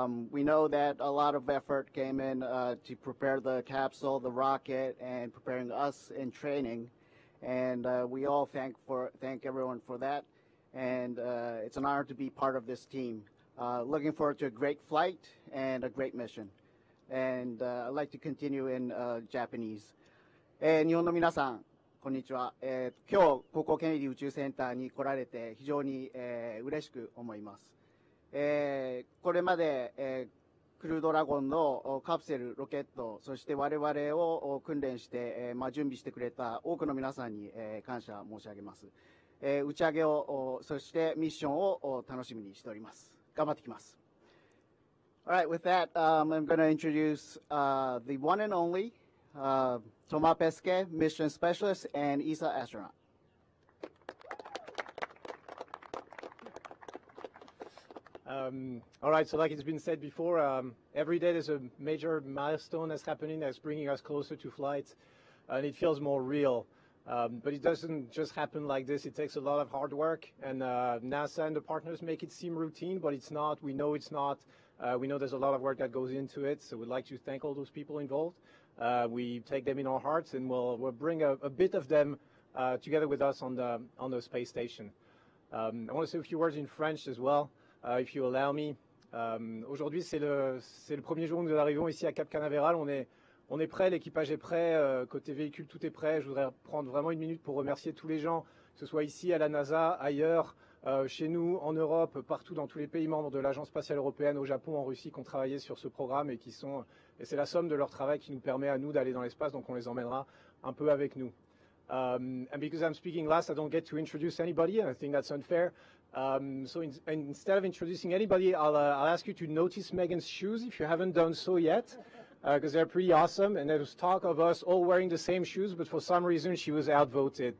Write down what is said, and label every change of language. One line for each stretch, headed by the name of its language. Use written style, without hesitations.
English: We know that a lot of effort came in to prepare the capsule, the rocket, and preparing us in training, and we all thank everyone for that. and it's an honor to be part of this team. Looking forward to a great flight and a great mission. And I'd like to continue in Japanese.
Japanese: 日本の皆さん、こんにちは。今日、ここケネディ宇宙センターに来られて非常に、嬉しく思います。これまで、クルードラゴンのカプセル、ロケット、そして我々を訓練して、準備してくれた多くの皆さんに、感謝申し上げます。打ち上げを、そしてミッションを楽しみにしております。頑張ってきます。
English: All right, with that, I'm going to introduce the one and only Thomas Pesquet, Mission Specialist and ESA Astronaut. All right, so like it's been said before, every day there's a major milestone that's happening that's bringing us closer to flight, and it feels more real. But it doesn't just happen like this. It takes a lot of hard work, and NASA and the partners make it seem routine, but it's not. We know it's not. We know there's a lot of work that goes into it, so we'd like to thank all those people involved. We take them in our hearts, and we'll bring a bit of them together with us on the space station. I want to say a few words in French as well, if you allow me.
French: Aujourd'hui, c'est le premier jour où nous arrivons ici à Cap Canaveral. On est prêt, l'équipage est prêt, côté véhicule, tout est prêt. Je voudrais prendre vraiment une minute pour remercier tous les gens, que ce soit ici, à la NASA, ailleurs, chez nous, en Europe, partout dans tous les pays membres de l'Agence spatiale européenne, au Japon, en Russie, qui ont travaillé sur ce programme et qui sont... Et c'est la somme de leur travail qui nous permet à nous d'aller dans l'espace, donc on les emmènera un peu avec nous.
English: And because I'm speaking last, I don't get to introduce anybody, and I think that's unfair. So instead of introducing anybody, I'll ask you to notice Megan's shoes if you haven't done so yet. Because they're pretty awesome, and there was talk of us all wearing the same shoes, but for some reason she was outvoted.